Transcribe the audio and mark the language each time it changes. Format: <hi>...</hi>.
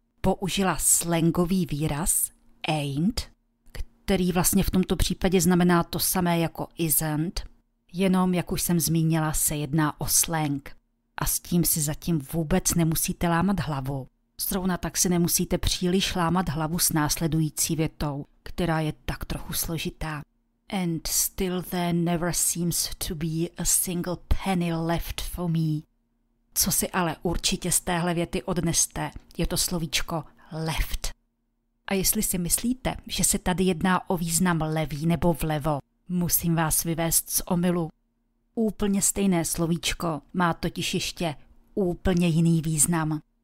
<cs>Použila slangový výraz ain't, který vlastně v tomto případě znamená to samé jako isn't, jenom, jak už jsem zmínila, se jedná o slang. A s tím si zatím vůbec nemusíte lámat hlavu. Zrovna tak si nemusíte příliš lámat hlavu s následující větou, která je tak trochu složitá.</cs> <en>And still there never seems to be a single penny left for me.</en> <cs>Co si ale určitě z téhle věty odneste, je to slovíčko left. A jestli si myslíte, že se tady jedná o význam levý nebo vlevo, musím vás vyvést z omylu. Úplně stejné slovíčko má totiž ještě úplně jiný význam.</cs>